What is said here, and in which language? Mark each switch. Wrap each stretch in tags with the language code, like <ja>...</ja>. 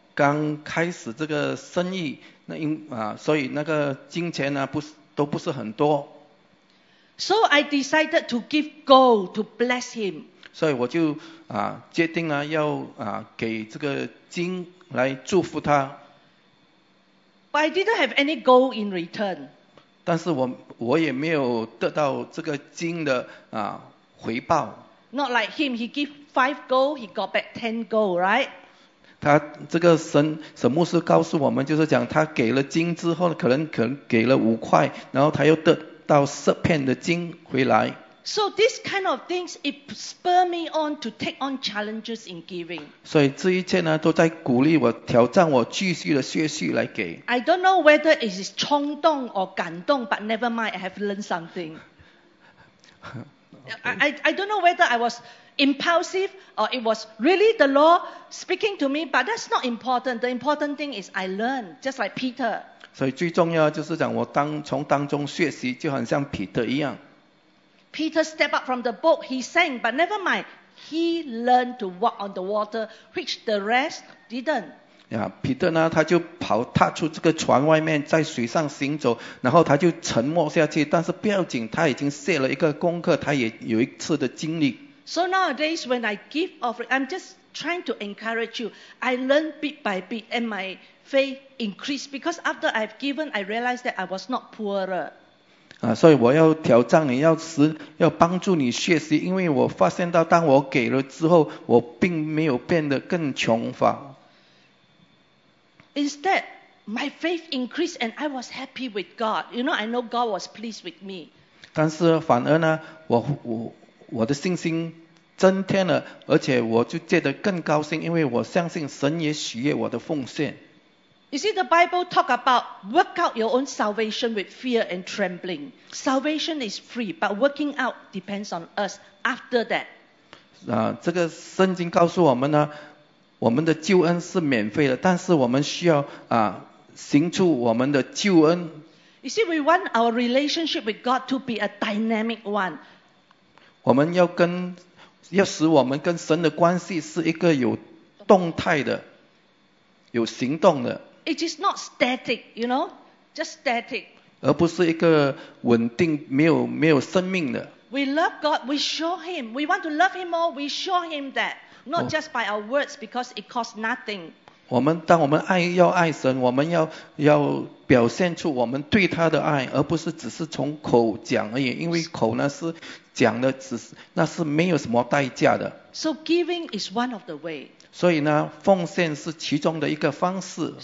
<zh>刚开始这个生意，那因啊，所以那个金钱呢，不是都不是很多。</zh> <en>So I decided to give gold to bless him.</en> <zh>所以我就啊，决定了要啊，给这个金来祝福他。</zh> <en>But I didn't have any gold in return.</en> <zh>但是我也没有得到这个金的啊回报。</zh> <en>Not like him, he gave 5 gold, he got back 10 gold, right?</en> <zh>他这个神牧师告诉我们，就是讲他给了金之后，可能给了五块，然后他又得到十片的金回来。</zh> <en>So this kind of things it spur me on to take on challenges in giving.</en> <zh>所以这一切呢，都在鼓励我、挑战我继续的学习来给。</zh> <en>I don't know whether it is</en> <zh>冲动</zh> <en>or</en> <zh>感动，</zh> <en>but never mind, I have learned something. Okay. I don't know whether I was impulsive or it was really the Lord speaking to me, but that's not important. The important thing is I learned, just like Peter.</en> <zh>所以最重要就是讲我从当中学习，就很像彼得一样。</zh> <en>Peter stepped up from the boat, he sank, but never mind, he learned to walk on the water, which the rest didn't.</en> <zh>Yeah, Peter 呢，他就踏出这个船外面，在水上行走，然后他就沉没下去，但是不要紧，他已经卸了一个功课，他也有一次的经历。</zh> <en>So nowadays, when I give offering, I'm just trying to encourage you. I learn bit by bit, and my faith increased because after I've given, I realized that I was not poorer.</en> <zh>啊，所以我要挑战你，要帮助你学习，因为我发现到，当我给了之后，我并没有变得更穷乏。</zh> <en>Instead, my faith increased, and I was happy with God. You know, I know God was pleased with me.</en> <zh>但是反而呢，我的信心增添了，而且我就觉得更高兴，因为我相信神也喜悦我的奉献。</zh> <en>You see, the Bible talk about work out your own salvation with fear and trembling. Salvation is free, but working out depends on us after that.</en> <zh>啊，这个圣经告诉我们呢，我们的救恩是免费的，但是我们需要啊，行出我们的救恩。</zh> <en>You see, we want our relationship with God to be a dynamic one.</en> <zh>我们要使我们跟神的关系是一个有动态的、有行动的。</zh> <en>It is not static, you know, just static.</en> <zh>而不是一个稳定、没有生命的。</zh> <en>We love God, we show Him. We want to love Him more, we show Him that. Not just by our words, because it costs nothing.</en> <zh>我们爱神，我们要表现出我们对他的爱，而不是只是从口讲而已，因为口呢是。讲的只是那是没有什么代价的。</zh> <en>So giving is one of the way.</en> <zh>所以呢，奉献是其中的一个方式。</zh>